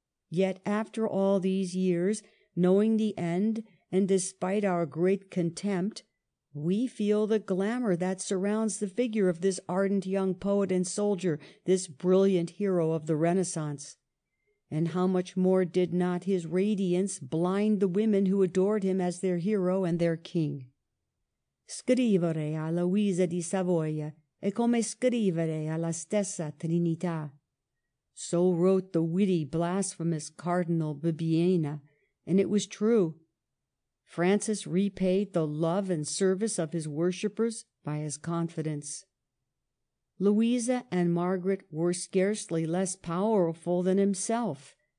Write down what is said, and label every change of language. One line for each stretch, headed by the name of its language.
English: Yet after all these years, knowing the end, and despite our great contempt, we feel the glamour that surrounds the figure of this ardent young poet and soldier, this brilliant hero of the Renaissance. And how much more did not his radiance blind the women who adored him as their hero and their king?
Italian: Scrivere a Luisa di Savoia, e come scrivere alla stessa Trinità.
English: So wrote the witty, blasphemous Cardinal Bibbiena, and it was true. Francis repaid the love and service of his worshippers by his confidence. Louisa and Margaret were scarcely less powerful than himself.